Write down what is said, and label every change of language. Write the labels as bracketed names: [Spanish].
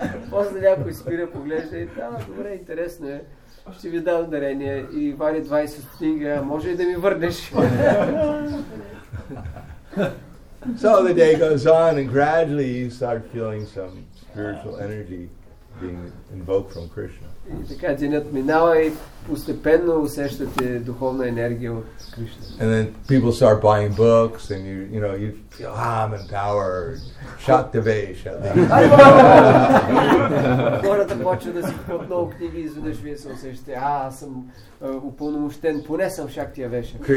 [Bulgarian] После някой спира, поглежда и така, добре, интересно е, ще ви дам дарение и вали 20 стотинга, може ли да ми върнеш? [English] So the day goes on and gradually you start feeling some spiritual energy being invoked from Krishna. [Bulgarian] И така денят минава и постепенно усещате духовна енергия от Кришна. [English] And then people start buying books and you feel, I'm empowered. Шактивеш, at least. [Bulgarian] Хората почват да си купят много книги и изведнъж вие се усещате, аз съм упълномощен, поне съм Шактивеш.